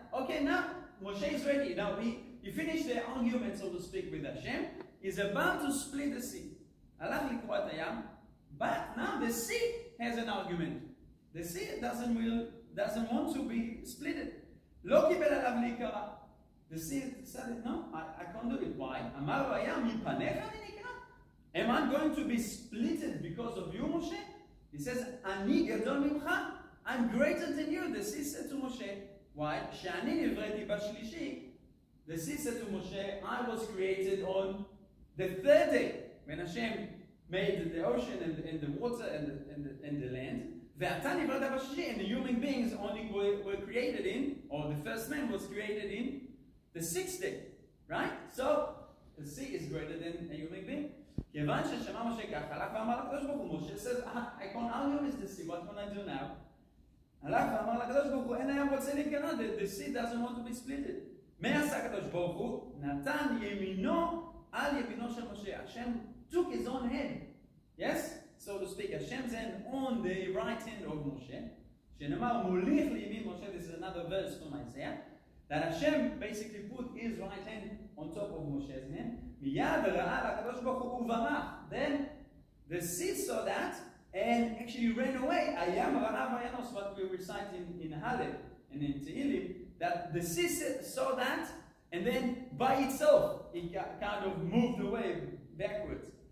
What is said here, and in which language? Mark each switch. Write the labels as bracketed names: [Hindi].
[English] Okay, now Moshe is ready. Now he finished the argument, so to speak, with Hashem. He's about to split the sea. [Hebrew] הלך לקרוא את הים, [English] but now the sea has an argument. The sea doesn't want to be splitted. [Hebrew] לא קיבל עליו להיקרא. [English] The sea decided, no, I can't do it. Why? [Hebrew] אמר לו הים, מפניך אני נקרא? [English] Am I going to be splitted because of you, Moshe? He says, [Hebrew] אני גדול ממך, [English] I'm greater than you. The sea said to Moshe, why? [Hebrew] שאני נבראתי בשלישי. [English] The sea said to Moshe, I was created on the third day. When Hashem made the ocean and the water and the land, [Hebrew] ואתה נבראת בשלישי, [English] and the human beings only were created in, or the first man was created in, the sixth day, right? So, the sea is greater than a human being. [Hebrew] כיוון ששמע משה כך, הלך ואמר לקדוש ברוך הוא, [English] משה says, I can't argue with the sea, what can I do now? [Hebrew] הלך ואמר לקדוש ברוך הוא, אין הים רוצה להיכנס, [English] the sea doesn't want to be splitted. [Hebrew] מה עשה הקדוש ברוך הוא? נתן ימינו על ימינו של משה. [English] השם took his own head. Yes? So to speak, Hashem's hand on the right hand of Moshe. [Hebrew] שנאמר, מוליך לימין משה, [English] this is another verse from Isaiah. That Hashem basically put his right hand on top of Moshe's hand. [Hebrew] מיד ראה לקדוש ברוך הוא וברח. [English] Then the sea saw that and actually ran away. [Hebrew] הים ראה וינוס, [English] what we recite in Halel and in Tehillim. That the sea saw that, and then by itself, it kind of moved away backwards.